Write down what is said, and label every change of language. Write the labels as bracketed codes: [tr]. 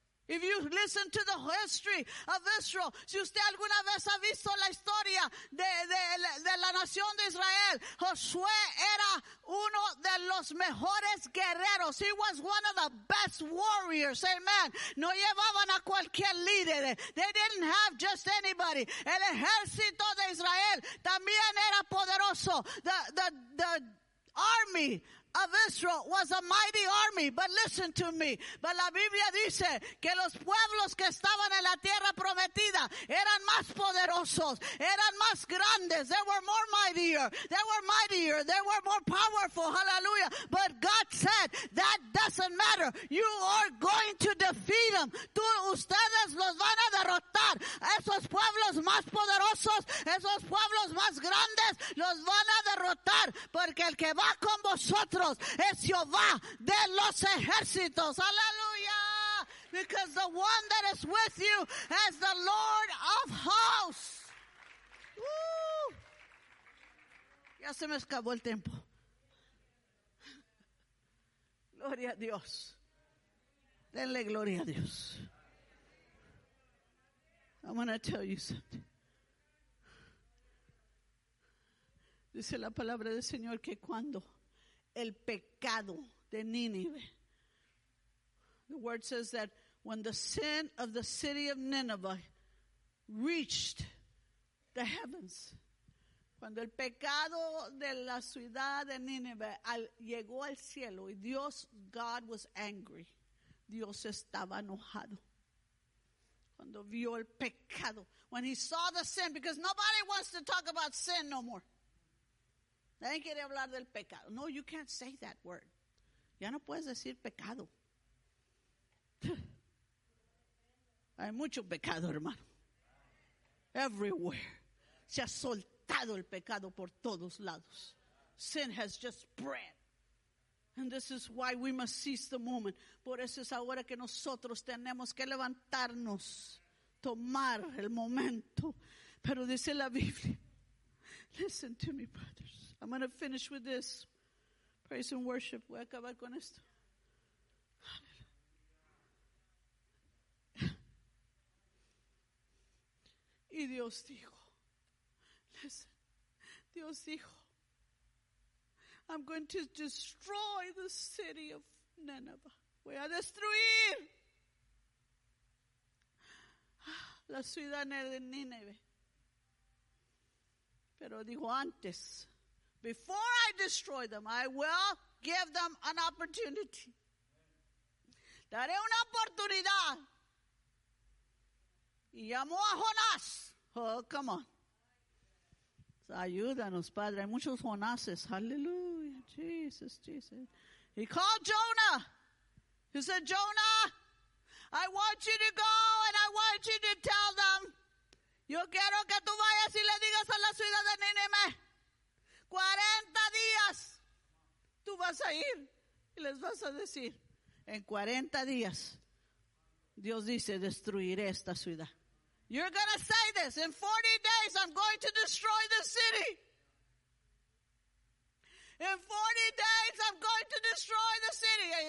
[en] If you listen to the history of Israel, [es] si usted alguna vez ha visto la historia de la nación de Israel, Josué era uno de los mejores guerreros. [en] He was one of the best warriors. Amen. [es] No llevaban a cualquier líder. [en] They didn't have just anybody. [es] El ejército de Israel también era poderoso. [en] The army of Israel was a mighty army, but listen to me. [es] But la Biblia dice que los pueblos que estaban en la tierra prometida eran más poderosos, eran más grandes. [en] They were more mightier. They were mightier. They were more powerful. Hallelujah. But God said, that doesn't matter. You are going to defeat them. [es] Tú, ustedes los van a derrotar. Esos pueblos más poderosos, esos pueblos más grandes, los van a derrotar. Porque el que va con vosotros es Jehová de los ejércitos. Aleluya. [en] Because the one that is with you is the Lord of hosts. [es] Woo. Ya se me acabó el tiempo. Gloria a Dios. Denle gloria a Dios. [en] I'm going to tell you something. [es] Dice la palabra del Señor que cuando el pecado de Nínive. [en] The word says that when the sin of the city of Nineveh reached the heavens, [es] cuando el pecado de la ciudad de Nínive llegó al cielo, y Dios, [en] God was angry, [es] Dios estaba enojado. Cuando vio el pecado, [en] when he saw the sin, because nobody wants to talk about sin no more. [es] Nadie quiere hablar del pecado. [en] No, you can't say that word. [es] Ya no puedes decir pecado. Hay mucho pecado, hermano. [en] Everywhere. [es] Se ha soltado el pecado por todos lados. [en] Sin has just spread. And this is why we must seize the moment. [es] Por eso es ahora que nosotros tenemos que levantarnos, tomar el momento. Pero dice la Biblia, [en] listen to me, brothers. I'm going to finish with this. Praise and worship. [es] Voy a acabar con esto. Y Dios dijo, [en] listen, [es] Dios dijo, [en] I'm going to destroy the city of Nineveh. [es] Voy a destruir la ciudad de Nínive. Pero dijo antes, [en] before I destroy them, I will give them an opportunity. [es] Daré una oportunidad. Y llamó a Jonás. [en] Oh, come on. [es] Ayúdanos, Padre. Hay muchos Jonases. Hallelujah. Jesus, Jesus. [en] He called Jonah. He said, Jonah, I want you to go and I want you to tell them. [es] Yo quiero que tú vayas y le digas a la ciudad de Nínive. 40 días tú vas a ir y les vas a decir, en 40 días Dios dice, destruiré esta ciudad. [en] You're going to say this, in 40 days I'm going to destroy the city. In 40 days I'm going to destroy the city.